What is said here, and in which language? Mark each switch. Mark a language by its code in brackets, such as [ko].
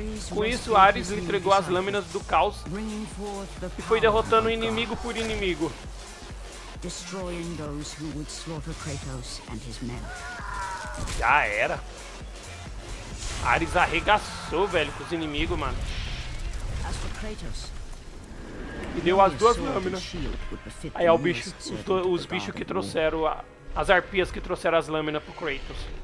[pt] Com isso, Ares lhe entregou as lâminas do caos e foi derrotando inimigo por inimigo. [en] Destroying those who would slaughter Kratos and his men. [pt] Já era. Ares arregaçou, velho, com os inimigos, mano. [en] As for [pt] Kratos, e deu as duas lâminas. Aí é o bicho, os bichos que trouxeram, as arpias que trouxeram as lâminas pro Kratos.